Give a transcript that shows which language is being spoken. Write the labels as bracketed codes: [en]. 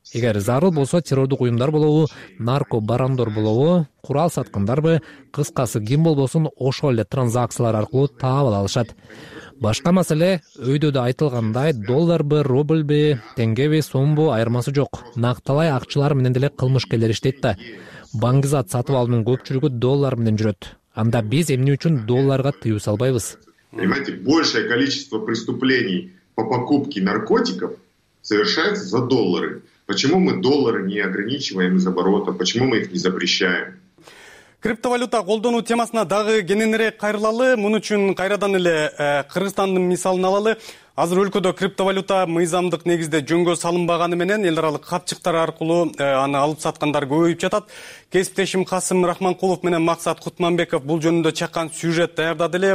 [ky] Эгер зарыл болсо террордук уюмдар болобу, наркобарандор болобу, курал саткындарбы, кыскасы ким болбосун ошол эле транзакциялар аркылуу таап алышат. Башка маселе өйдө да айтылгандай долларбы, рубльбы, теңгеби, сомбу айырмасы жок. Накталай акчылар менен деле кылмышкерлер иштейт да. Баңгизат сатып алуунун көпчүлүгү доллар менен жүрөт. Анда биз эмне үчүн долларга тыюу салбайбыз? [ru] Понимаете, большее количество преступлений по покупке наркотиков совершается за доллары. Почему мы доллары не ограничиваем из оборота? Почему мы их не запрещаем? [ky] Криптовалюта колдонуу темасына дагы кененирээк кайрылалы. Муну үчүн кайрадан эле Кыргызстандын мисалын алалы. Азыр өлкөдө криптовалюта мыйзамдык негизде жөнгө салынбаганы менен эл аралык капчыктар аркылуу аны алып саткандар көбөйүп жатат. Кесиптешим Касым Рахманкулов менен Максат Кутманбеков бул жөнүндө чаккан сюжет даярдады эле.